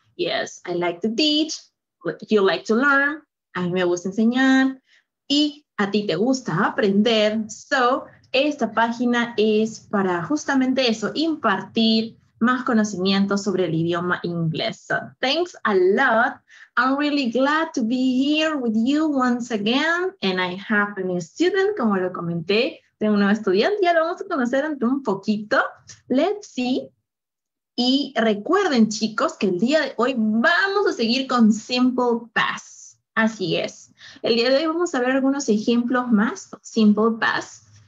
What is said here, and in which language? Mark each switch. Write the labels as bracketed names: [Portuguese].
[English] Yes, I like to teach, you like to learn, [Spanish] a mí me gusta enseñar y a ti te gusta aprender. So, esta página es para justamente eso, impartir más conocimiento sobre el idioma inglés. [English] So, thanks a lot. I'm really glad to be here with you once again. And I have a new student, [Spanish] como lo comenté. Tengo un nuevo estudiante. Ya lo vamos a conocer en un poquito. [English] Let's see. [Spanish] Y recuerden, chicos, que el día de hoy vamos a seguir con Simple Past. Así es. El día de hoy vamos a ver algunos ejemplos más. Simple Past.